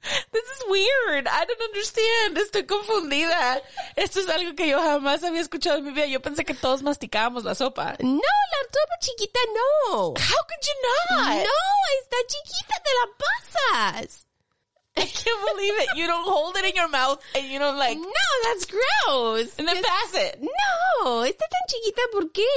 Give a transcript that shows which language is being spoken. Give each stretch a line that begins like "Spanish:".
English: This is weird. I don't understand.
Spanish: Estoy confundida. Esto es algo que yo jamás había escuchado en mi vida. Yo pensé que todos masticábamos la sopa. No, la sopa chiquita no.
English: How could you not?
Spanish: No, está chiquita, te la pasas.
English: I can't believe it. You don't hold it in your mouth and you don't like... No, that's gross. And then pass it.
Spanish: No, está tan chiquita, ¿por qué?